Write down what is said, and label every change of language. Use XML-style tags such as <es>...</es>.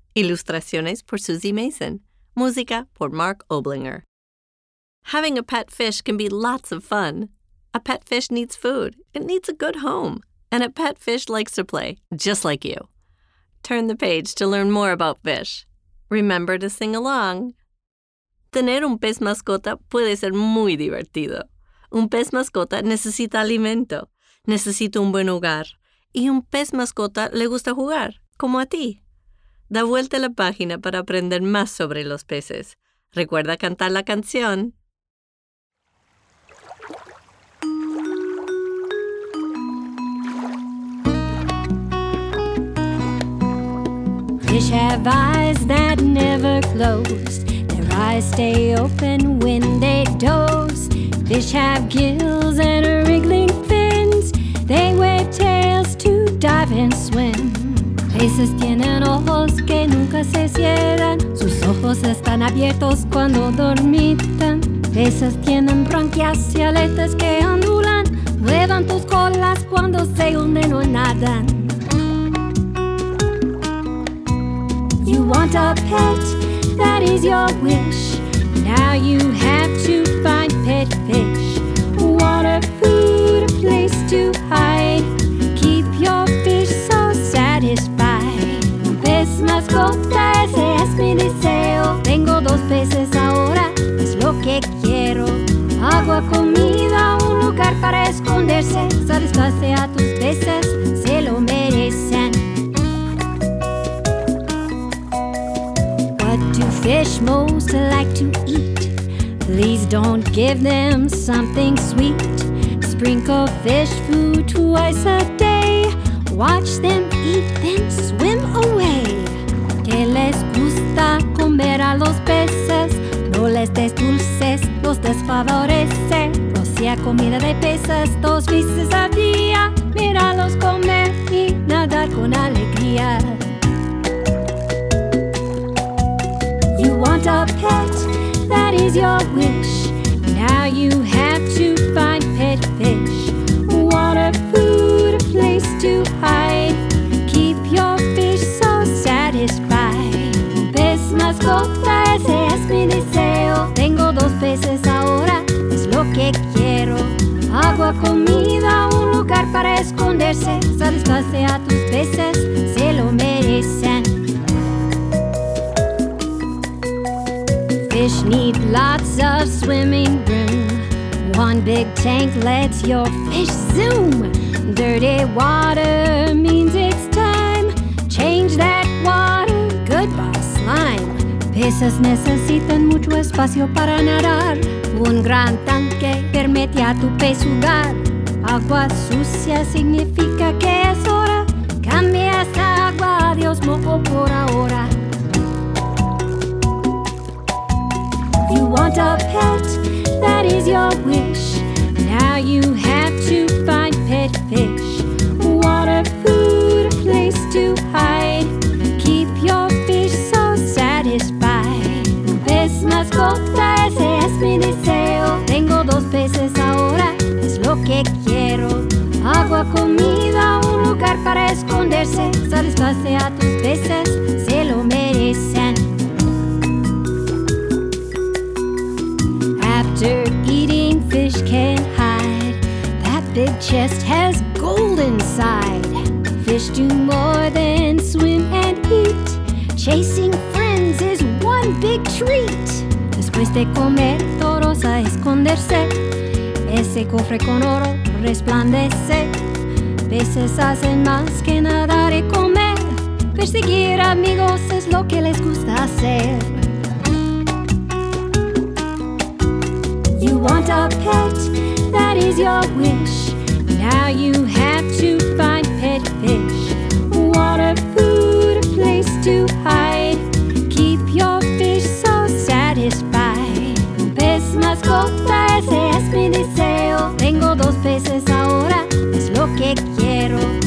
<es>Ilustraciones por Susie Mason. Música por Mark Oblinger.</es> <en>Having a pet fish can be lots of fun. A pet fish needs food. It needs a good home. And a pet fish likes to play, just like you. Turn the page to learn more about fish. Remember to sing along.</en> <es>Tener un pez mascota puede ser muy divertido. Un pez mascota necesita alimento. Necesita un buen hogar. Y un pez mascota le gusta jugar, como a ti. Da vuelta a la página para aprender más sobre los peces. Recuerda cantar la canción.</es> <en>Fish have eyes that never close. Their eyes stay open when they doze. Fish have gills and wriggling fins. They wave tails to dive and swim.</en> <es>Peces tienen ojos que nunca se cierran. Sus ojos están abiertos cuando dormitan. Peces tienen branquias y aletas que ondulan. Muevan tus colas cuando se hunden o nadan.</es> <en>You want a pet, that is your wish. Now you have to find pet fish. Water, food, a place to hide. Keep your fish so satisfied.</en> <es>Un pez mascota, ese es mi deseo. Tengo dos peces ahora, es lo que quiero. Agua, comida, un lugar para esconderse. Satisface a tus peces, se lo merecen.</es> <en>Fish most like to eat. Please don't give them something sweet. Sprinkle fish food twice a day. Watch them eat, then swim away.</en> <es>¿Qué les gusta comer a los peces? No les des dulces, los desfavorece. Rocía comida de peces dos veces al día. Míralos comer y nadar con alegría.</es> <en>Want a pet, that is your wish. Now you have to find pet fish. Water, food, a place to hide. Keep your fish so satisfied.</en> <es>Pez mascota, ese es mi deseo. Tengo dos peces ahora, es lo que quiero. Agua, comida, un lugar para esconderse. Satisface a tus peces, se lo merecen.</es> <en>Fish need lots of swimming room. One big tank lets your fish zoom. Dirty water means it's time. Change that water, goodbye slime.</en> <es>Peces necesitan mucho espacio para nadar. Un gran tanque permite a tu pez jugar. Agua sucia significa que es hora. Cambia esa agua, adiós mojo por ahora.</es> <en>You want a pet, that is your wish. Now you have to find pet fish. Water, food, a place to hide. Keep your fish so satisfied.</en> <es>Un pez mascota, ese es mi deseo. Tengo dos peces ahora, es lo que quiero. Agua, comida, un lugar para esconderse. Satisface a tus peces, se lo merecen.</es> <en>After eating, fish can hide. That big chest has gold inside. Fish do more than swim and eat. Chasing friends is one big treat.</en> <es>Después de comer, todos a esconderse. Ese cofre con oro resplandece. Peces hacen más que nadar y comer. Perseguir amigos es lo que les gusta hacer.</es> <en>You want a pet, that is your wish. Now you have to find pet fish. Water, food, a place to hide. Keep your fish so satisfied.</en> <es>Un pez mascota, ese es mi deseo. Tengo dos peces ahora, es lo que quiero.</es>